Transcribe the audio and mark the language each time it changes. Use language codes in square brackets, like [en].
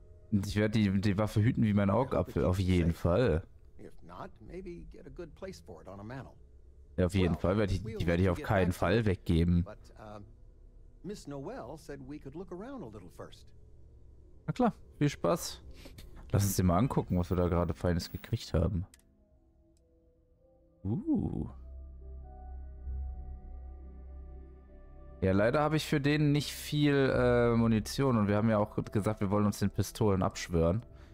[de] Ich werde die Waffe hüten wie mein Augapfel, auf jeden Fall. Ja, auf jeden Fall werde ich auf keinen Fall weggeben. [en] Miss Noel said we could look around a little first. [de] Na klar, viel Spaß. Lass uns dir mal angucken, was wir da gerade Feines gekriegt haben. Ja, leider habe ich für den nicht viel Munition und wir haben ja auch gesagt, wir wollen uns den Pistolen abschwören.